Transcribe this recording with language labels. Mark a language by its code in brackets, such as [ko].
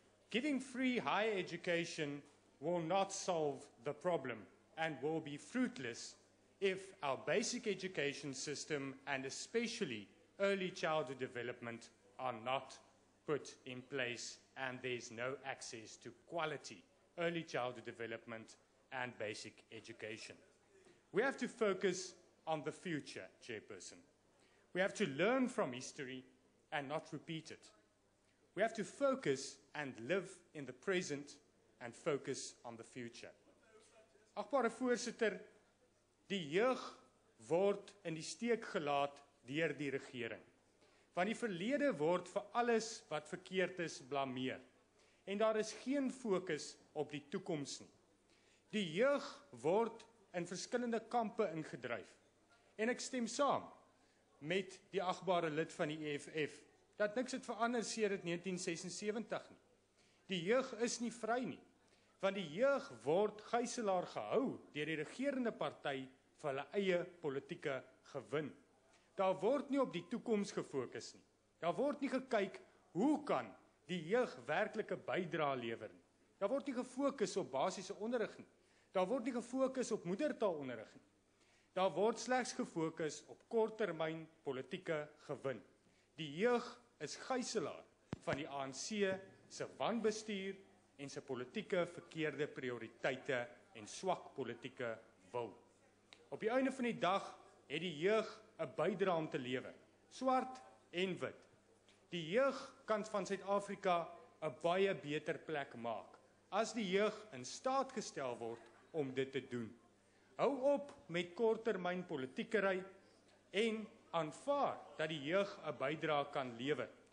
[en] Giving free higher education will not solve the problem and will be fruitless if our basic education system and especially early childhood development are not put in place and there's no access to quality early childhood development and basic education. We have to focus on the future, Chairperson. We have to learn from history and not repeat it. We have to focus and live in the present and focus on the future. [af] Agbare voorsitter, die jeug word in die steek gelaat deur die regering. Want die verlede word vir alles wat verkeerd is blameer. En daar is geen fokus op die toekoms nie. Die jeug word in verskillende kampe ingedryf. En ek stem saam met die agbare lid van die EFF dat niks het verander sedert 1976 nie. Die jeug is nie vry nie, want die jeug word gyselaar gehou deur die regerende party vir hulle eie politieke gewin. Daar word nie op die toekoms gefokus nie. Daar word nie gekyk hoe kan die jeug werklike bydrae lewer nie. Daar word nie gefokus op basiese onderrig nie. Daar word nie gefokus op moedertaalonderrig nie. Daar word slegs gefokus op korttermyn politieke gewin. Die jeug is gyselaar van die ANC se wanbestuur en se politieke verkeerde prioriteite en swak politieke wil. Op die einde van die dag het die jeug 'n bydrae om te lewer, swart en wit. Die jeug kan van Suid-Afrika 'n baie beter plek maak as die jeug in staat gestel word om dit te doen. Hou op met korttermyn politiekery en aanvaar dat die jeug 'n bydrae kan lewer.